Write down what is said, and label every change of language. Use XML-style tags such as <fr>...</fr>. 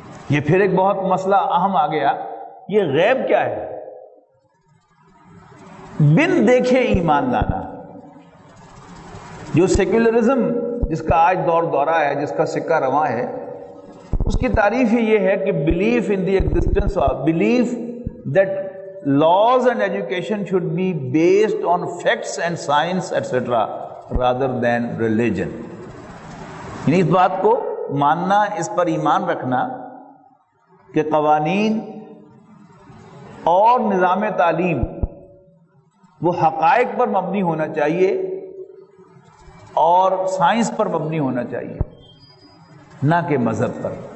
<ur>یہ پھر ایک بہت مسئلہ اہم آ گیا, یہ غیب کیا ہے؟ بن دیکھے ایمان لانا, جو سیکولرزم جس کا آج دور دورہ ہے, جس کا سکہ رواں ہے, اس کی تعریف ہی یہ ہے کہ</ur> <en>Belief in the existence, belief that laws and education should be based on facts and science etc. rather than religion.</en> <ur>یعنی اس بات کو ماننا, اس پر ایمان رکھنا کہ قوانین اور نظام تعلیم وہ حقائق پر مبنی ہونا چاہیے اور سائنس پر مبنی ہونا چاہیے, نہ کہ مذہب پر.</ur>